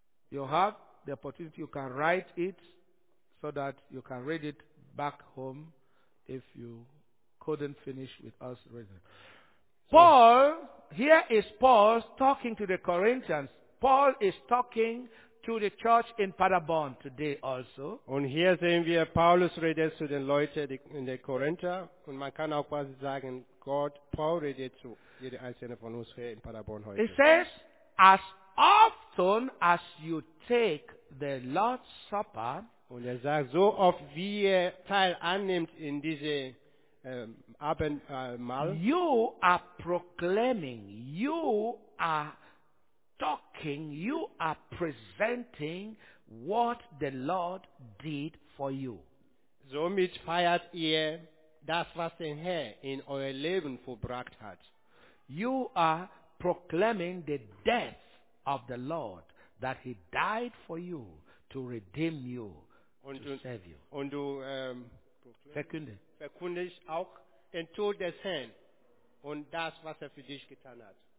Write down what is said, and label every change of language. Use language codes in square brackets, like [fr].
[en] You have the opportunity, you can write it so that you can read it back home if you couldn't finish with us reading. Here is Paul talking to the Corinthians. Paul is talking to the church in Paderborn today also. [de] Und hier sehen wir, Paulus redet zu den Leuten in der Korinther, und man kann auch quasi sagen, Gott, Paul redet zu jeder einzelnen von uns hier in Paderborn heute. [en] It says, as often as you take the Lord's Supper, [de] und er sagt, so oft wie ihr Teil annimmt in diese Abendmahl, [en] you are proclaiming, you are talking, you are presenting what the Lord did for you. [de] Somit feiert ihr das, was der Herr in euer Leben vollbracht hat. [en] You are proclaiming the death of the Lord, that he died for you to redeem you, to save you. [de] Und du verkündest auch den Tod des Herrn und das, was er für dich getan hat.